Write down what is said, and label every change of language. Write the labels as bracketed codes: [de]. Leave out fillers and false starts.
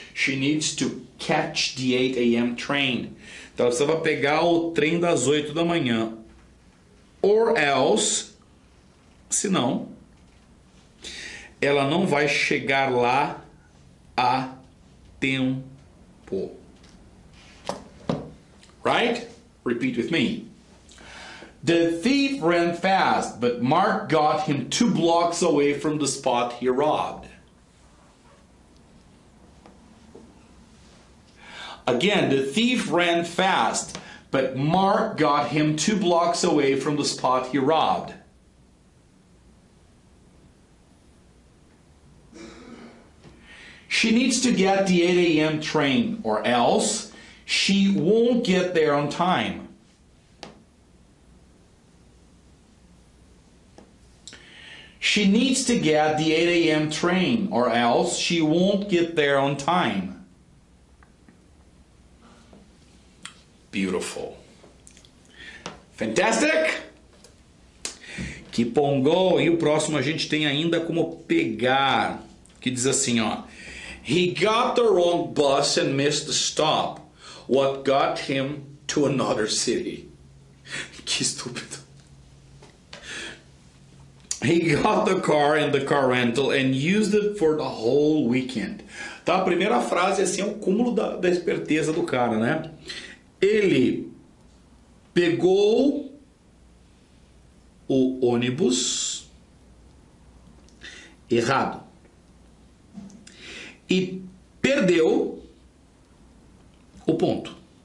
[en] She needs to catch the 8 a.m. train. [pt] Então ela precisava pegar o trem das 8 da manhã. [en] Or else, [pt] se não, ela não vai chegar lá a tempo. [en] Right? Repeat with me. The thief ran fast, but Mark got him 2 blocks away from the spot he robbed. Again, the thief ran fast, but Mark got him 2 blocks away from the spot he robbed. She needs to get the 8 a.m. train, or else she won't get there on time. She needs to get the 8 a.m. train, or else she won't get there on time. Beautiful. Fantastic! Kipongol. [pt] E o próximo a gente tem ainda como pegar, que diz assim, ó. [en] He got the wrong bus and missed the stop. What got him to another city? [pt] Que estúpido. [en] He got the car and the car rental and used it for the whole weekend. [pt] Tá, a primeira frase assim, é o cúmulo da esperteza do cara, né? Ele pegou o ônibus errado e perdeu o ponto.